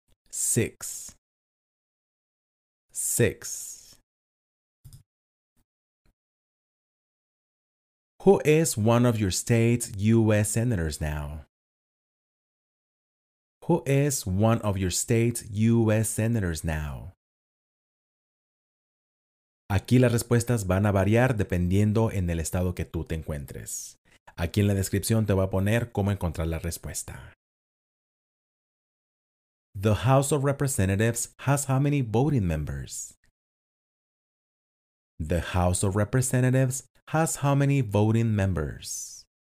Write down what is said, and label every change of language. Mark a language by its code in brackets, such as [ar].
[en] 6. 6. Who is one of your state's U.S. senators now? Who is one of your state's U.S. senators now? [es] Aquí las respuestas van a variar dependiendo en el estado que tú te encuentres. Aquí en la descripción te voy a poner cómo encontrar la respuesta. [en] The House of Representatives has how many voting members? The House of Representatives has how many voting members?